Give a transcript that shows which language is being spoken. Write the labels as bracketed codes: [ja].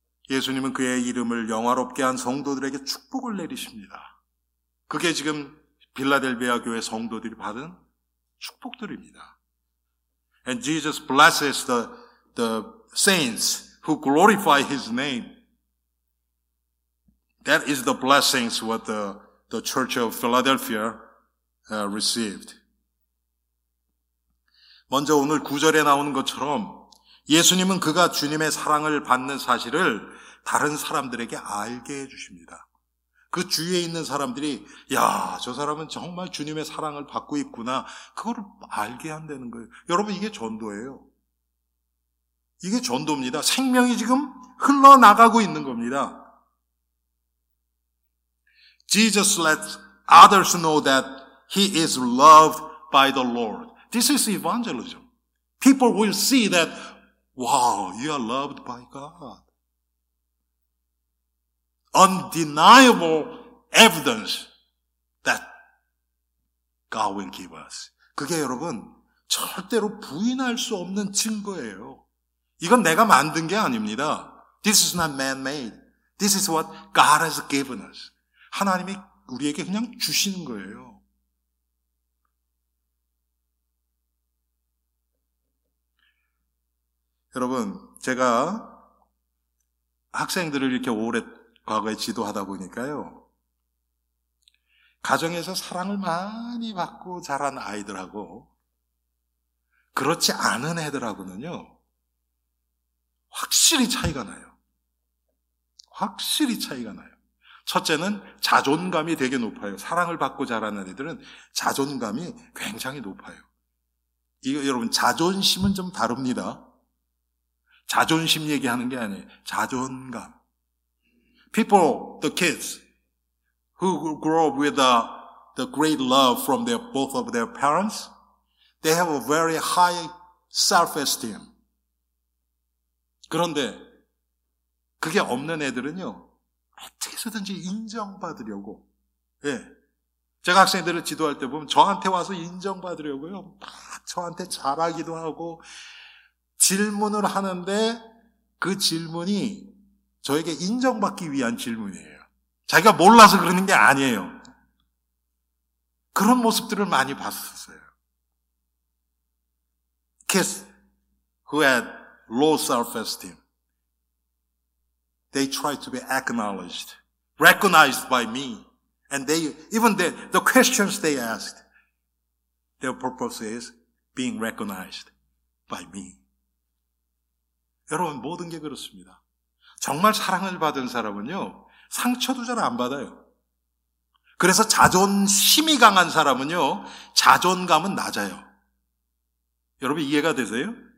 [ko] 예수님은 그의 이름을 영화롭게 한 성도들에게 축복을 내리십니다. 그게 지금 빌라델비아 교회 성도들이 받은 축복들입니다. [en] And Jesus blesses the saints who glorify his name. That is the blessings what the Church of Philadelphia received. [ko] 먼저 오늘 구절에 나오는 것처럼 예수님은 그가 주님의 사랑을 받는 사실을 다른 사람들에게 알게 해 주십니다. 그 주위에 있는 사람들이 야, 저 사람은 정말 주님의 사랑을 받고 있구나. 그걸 알게 한다는 거예요. 여러분 이게 전도예요. 이게 전도입니다. 생명이 지금 흘러나가고 있는 겁니다. [en] Jesus lets others know that he is loved by the Lord. This is evangelism. People will see that, wow, you are loved by God. Undeniable evidence that God will give us. [ko] 그게 여러분 절대로 부인할 수 없는 증거예요. 이건 내가 만든 게 아닙니다. [en] This is not man-made. This is what God has given us. [ko] 하나님이 우리에게 그냥 주시는 거예요. 여러분 제가 학생들을 이렇게 오래 과거에 지도하다 보니까요. 가정에서 사랑을 많이 받고 자란 아이들하고 그렇지 않은 애들하고는요. 확실히 차이가 나요. 확실히 차이가 나요. 첫째는 자존감이 되게 높아요. 사랑을 받고 자라는 애들은 자존감이 굉장히 높아요. 이거 여러분 자존심은 좀 다릅니다. 자존심 얘기하는 게 아니에요. 자존감. [en] People, the kids, who grow up with the great love from their both of their parents, they have a very high self-esteem. [ko] 그런데 그게 없는 애들은요, 어떻게서든지 인정받으려고. 예, 제가 학생들을 지도할 때 보면 저한테 와서 인정받으려고요. 막 저한테 잘하기도 하고 질문을 하는데 그 질문이 저에게 인정받기 위한 질문이에요. 자기가 몰라서 그러는 게 아니에요. 그런 모습들을 많이 봤었어요. [en] Kids who had low self-esteem, they tried to be acknowledged, recognized by me. And they, even the questions they asked, their purpose is being recognized by me. [ko] 여러분, 모든 게 그렇습니다. 정말 사랑을 받은 사람은요, 상처도 잘 안 받아요. 그래서 자존심이 강한 사람은요, 자존감은 낮아요. 여러분 이해가 되세요?